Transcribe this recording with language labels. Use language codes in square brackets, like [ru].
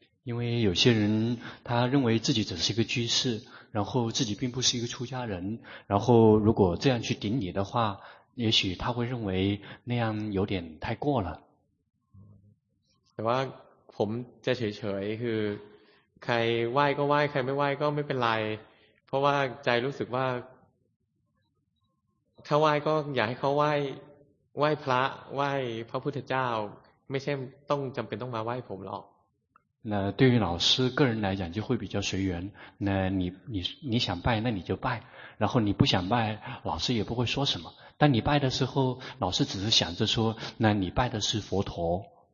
[zh] 因为有些人他认为自己只是一个居士，然后自己并不是一个出家人，然后如果这样去顶礼的话，也许他会认为那样有点太过了。 [th] แต่ว่าผมจะเฉยๆคือใครไหว้ก็ไหว้ใครไม่ไหว้ก็ไม่เป็นไรเพราะว่าใจรู้สึกว่าถ้าไหว้ก็อยากให้เขาไหว้พระไหว้พระพุทธเจ้าไม่ใช่ต้องจำเป็นต้องมาไหว้ผมหรอก [zh] 那对于老师个人来讲就会比较随缘那你想拜那你就拜然后你不想拜老师也不会说什么但你拜的时候老师只是想着说那你拜的是佛陀